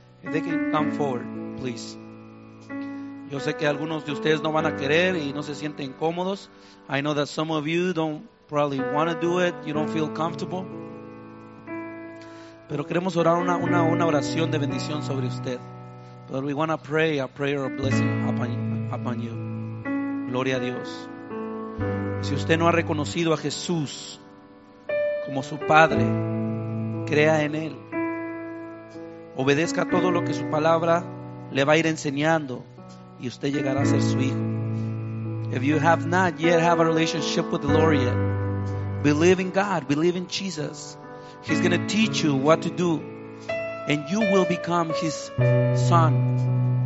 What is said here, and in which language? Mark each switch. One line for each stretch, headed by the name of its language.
English: If they can come forward, please.
Spanish: Yo sé que algunos de ustedes no van a querer y no se sienten cómodos.
English: I know that some of you don't probably want to do it. You don't feel comfortable.
Spanish: Pero queremos orar una oración de bendición sobre usted.
English: But we want to pray a prayer of blessing upon you.
Spanish: Gloria a Dios. Si usted no ha reconocido a Jesús como su Padre, crea en Él. Obedezca todo lo que su palabra le va a ir enseñando y usted llegará a ser su hijo.
English: If you have not yet have a relationship with the Lord yet, believe in God, believe in Jesus. He's going to teach you what to do and you will become His son.